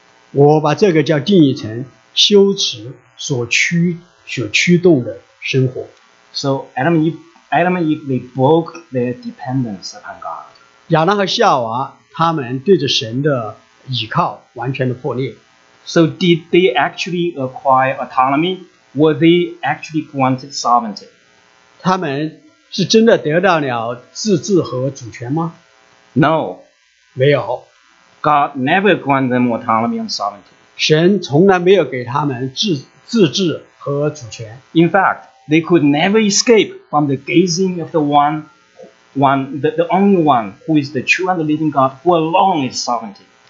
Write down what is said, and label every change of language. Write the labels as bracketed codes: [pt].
[zh] 我把这个叫定义成羞耻所驱动的生活。 [en] So Adam and Eve, they broke their dependence upon God. [zh] 亚当和夏娃, 他们对着神的依靠, [en] so did they actually acquire autonomy? Were they actually granted sovereignty? [zh] 他们是真的得到了自治和主权吗? [en] No. [zh] 没有。 [en] God never granted them autonomy and sovereignty. [zh] 神从来没有给他们自治和主权。 [en] In fact, they could never escape from the gazing of the only one who is the true and the living God who alone is sovereignty.